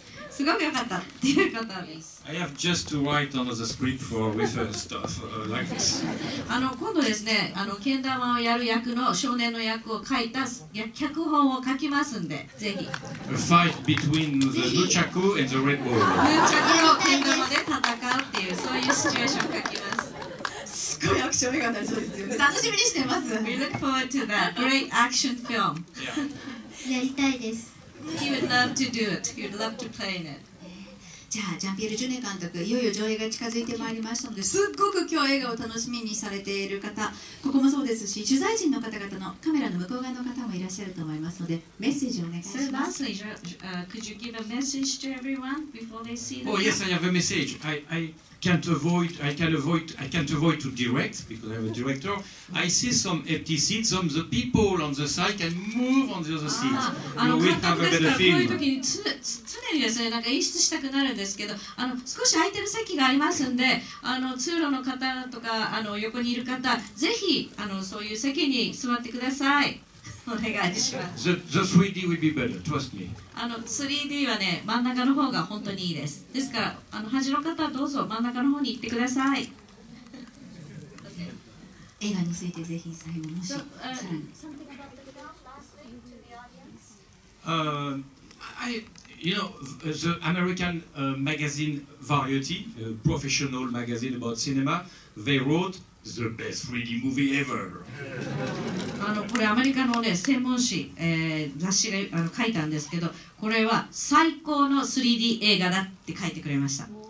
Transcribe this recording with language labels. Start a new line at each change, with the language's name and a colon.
Japanese: すごくよかったっていうことです。
English: I have just to write on the script for with her stuff like this.
Japanese: 今度ですね、けん玉をやる役の少年の役を書いた脚本を書きますんで、ぜひ。
English: A fight between the Nunchaku and the Red Bull.
Japanese: Nunchaku のけん玉で戦うっていう、そういうシチュエーションを書きます。楽しみにしてます。
English: We look forward to that great action film.
Japanese: やりたいです。
English: He would love to do it. He would love to play in it.
Japanese: じゃあジャンピエール・ジュネ監督、いよいよ上映が近づいてまいりましたので、すっごく今日映画を楽しみにされている方、ここもそうですし、取材陣の方々のカメラの向こう側の方もいらっしゃると思いますので、メッセージをお願いします。
English: So lastly, could you give a message to everyone before they see the Oh yes, I have a message. I can't avoid to direct because I'm a director. I see some empty seats. Some of the people on the side can move on the other seats. You will have a better feeling.
Japanese: こういう時に常にですね、なんか演出したくなるんですけど、少し空いてる席がありますんで、通路の方とか横にいる方、ぜひそういう席に座ってください。お願いします。
English: The 3D will be better, trust me.
Japanese: 3D はね、真ん中の方が本当にいいです。ですから、端の方はどうぞ真ん中の方に行ってください。
English: okay.
Japanese: 映画についてぜひ最後もし、さらに。
English: You know, the American magazine Variety, a professional magazine about cinema, they wrote the best 3D movie ever.
Japanese: これアメリカの、ね、専門誌、雑誌が書いたんですけど、これは最高の 3D 映画だって書いてくれました。